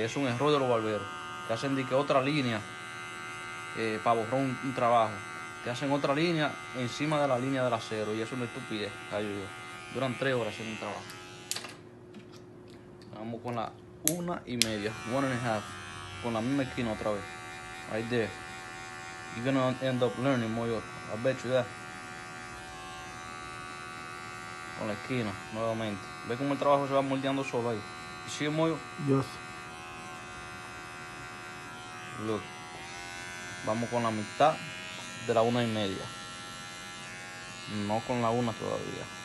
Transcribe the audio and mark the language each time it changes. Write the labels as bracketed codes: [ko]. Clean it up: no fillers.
[es] Y es un error de los barberos. Que hacen de que otra línea para borrar un trabajo. Te hacen otra línea encima de la línea del acero y eso es una estupidez, callo yo. Duran 3 horas haciendo un trabajo. Vamos con la 1.5, 1.5, con la misma esquina otra vez. [en] Right there. You're gonna end up learning more, I bet you that. [es] Con la esquina, nuevamente. Ve cómo el trabajo se va moldeando solo ahí. ¿Sigue, Moyo? [en] Yes. [es] Look. Vamos con la mitad. De la 1.5. No con la 1 todavía.